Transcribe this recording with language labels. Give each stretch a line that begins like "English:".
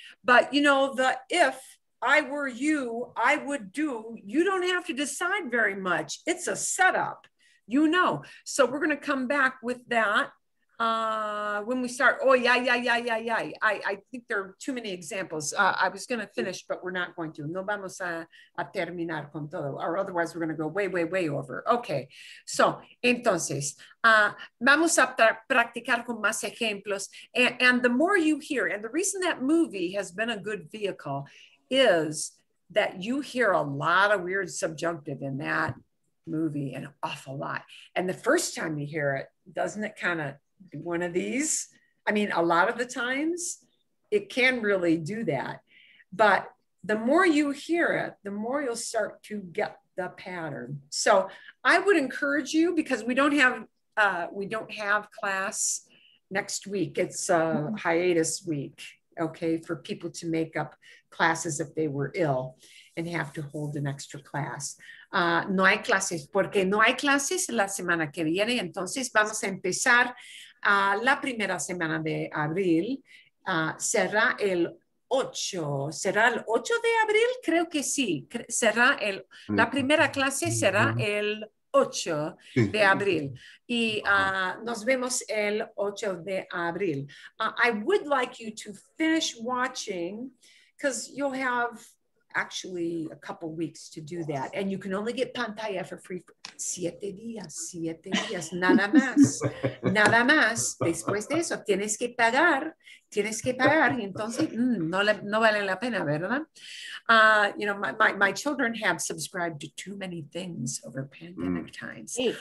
English: But you know, the if I were you, I would do, you don't have to decide very much. It's a setup. You know, so we're going to come back with that When we start, oh, yeah. I think there are too many examples. I was going to finish, but we're not going to.
Spanish: No vamos a terminar con todo,
English: or otherwise we're going to go way over.
Spanish: Okay, so, entonces, vamos a practicar con más ejemplos.
English: And the more you hear, and the reason that movie has been a good vehicle is that you hear a lot of weird subjunctive in that movie, an awful lot. And the first time you hear it, doesn't it kind of, one of these, I mean, a lot of the times it can really do that, but the more you hear it, the more you'll start to get the pattern. So I would encourage you, because we don't have class next week, it's a hiatus week, okay, for people to make up classes if they were ill and have to hold an extra class.
Spanish: No hay clases, porque no hay clases la semana que viene, entonces vamos a empezar la primera semana de abril, será el 8 de abril, creo que sí, será el, la primera clase será el 8 de abril, y nos vemos el 8 de abril.
English: I would like you to finish watching, because you'll have actually a couple weeks to do that, and you can only get pantalla for free for 7
Spanish: días, nada más. Después de eso tienes que pagar, y entonces no vale la pena, ¿verdad?
English: You know, my children have subscribed to too many things over pandemic times.